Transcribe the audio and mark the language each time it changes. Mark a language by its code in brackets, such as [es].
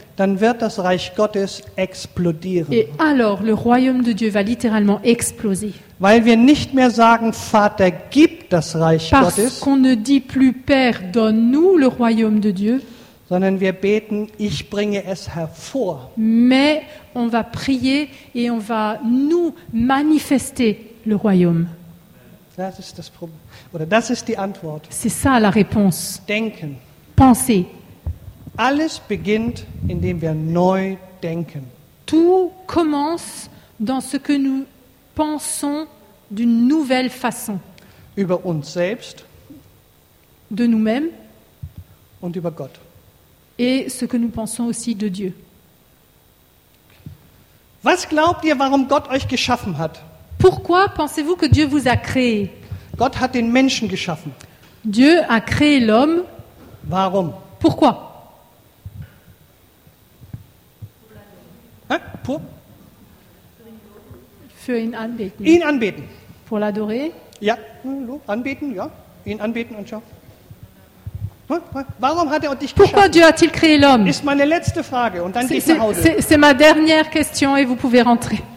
[de] Dann wird das Reich Gottes explodieren. [fr] Et alors le royaume de Dieu va littéralement exploser. [de] Weil wir nicht mehr sagen, Vater, gib das Reich [fr] Parce [de] Gottes. [fr] Qu'on ne dit plus Père, donne-nous le royaume de Dieu. [de] Sondern wir beten, ich bringe es hervor. [fr] Mais on va prier et on va nous manifester le royaume. [de] Das ist das Problem. Oder das ist die Antwort. [fr] C'est ça la réponse. [de] Denken. [fr] Penser. [de] Alles beginnt, indem wir neu denken. [fr] Tout commence dans ce que nous pensons d'une nouvelle façon. [de] Über uns selbst. [fr] De nous-mêmes. [de] Und über Gott. [fr] Et ce que nous pensons aussi de Dieu. [de] Was glaubt ihr, warum Gott euch geschaffen hat? [fr] Pourquoi pensez-vous que Dieu vous a créé? [de] Gott hat den Menschen geschaffen. [fr] Dieu a créé l'homme. [de] Warum? [fr] Pourquoi? Hein? Pour? [de] Für ihn anbeten. Ihn anbeten. [fr] Pour l'adorer? [de] Ja, anbeten, ja. Ihn anbeten und schau. Warum hat er dich [fr] Pourquoi [de] geschaffen? [fr] Dieu a-t-il créé l'homme? [de] Ist meine letzte Frage und dann [fr] c'est ma dernière question et vous pouvez rentrer.